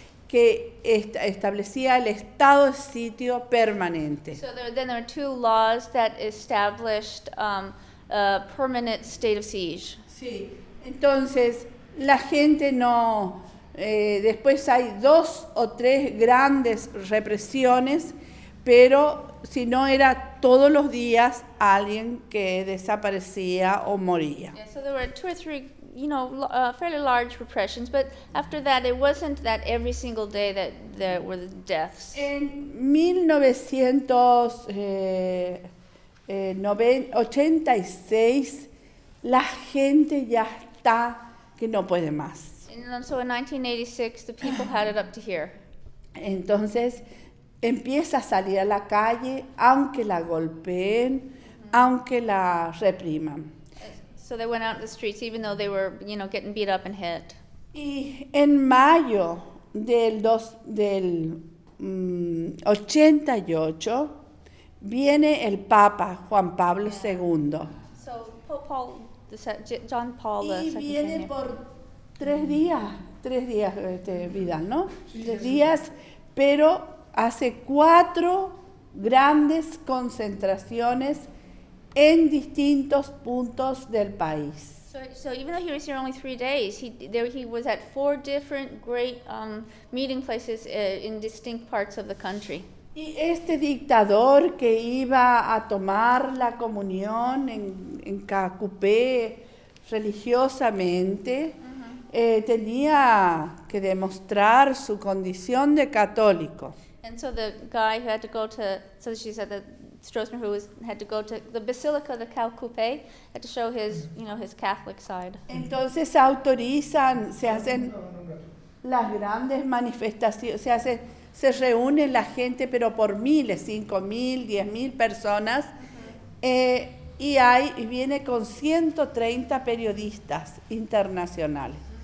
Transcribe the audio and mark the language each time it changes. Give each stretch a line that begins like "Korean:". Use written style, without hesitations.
Spanish: Que establecía el estado de sitio permanente.
English: So there are two laws that established a permanent state of siege.
Spanish: Sí. Entonces, la gente no. Después hay dos o tres grandes represiones, pero si no era todos los días alguien que desaparecía o moría.
English: Yeah, so there were two or three, you know, fairly large repressions, but after that it wasn't that every single day that there were the deaths.
Spanish: En 1986 la gente ya está que no puede más.
English: And so in 1986 the people had it up to here.
Spanish: Entonces empieza a salir a la calle, aunque la golpeen, aunque la repriman.
English: So they went out in the streets, even though they were, you know, getting beat up and hit.
Spanish: Y en mayo del 88 viene el Papa Juan Pablo II.
English: So Pope Paul, John Paul II.
Spanish: Y viene por tres días, Vidal, ¿no? Tres días, pero hace cuatro grandes concentraciones en distintos puntos del país.
English: So even though he was here only 3 days, he was at four different great meeting places in distinct parts of the country.
Spanish: Y este dictador que iba a tomar la comunión en Cacupé religiosamente, tenía que demostrar su condición de católico.
English: And so the guy who had to go to, so she said that Stroessner, who was, had to go to the Basilica de Calcupe, had to show his, you know, his Catholic side.
Spanish: Entonces autorizan, se hacen las grandes manifestaciones, se reúne la gente, pero por miles, 5,000, 10,000 personas, y hay, y viene con 130 periodistas internacionales.